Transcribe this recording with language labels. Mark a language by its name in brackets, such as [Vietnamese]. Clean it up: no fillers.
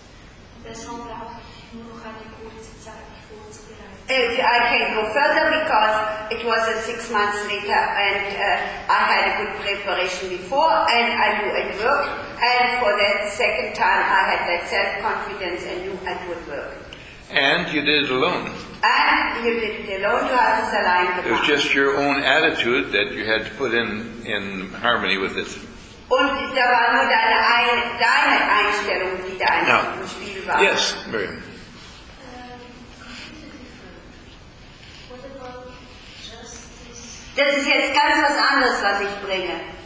[German] Und deshalb brauche ich nur noch eine kurze Zeit. [English] If I can go further because it was 6 months later and I had a good preparation before and I knew it worked and for that second time I had that self-confidence and knew it would work. And you did it alone. And you did it alone, you had this aligned. It was just your own attitude that you had to put in harmony with it. [German] Und da war nur deine Einstellung, die da im Spiel war. [English] Yes, Miriam. What about justice [German] Das ist jetzt ganz was anderes, was ich bringe.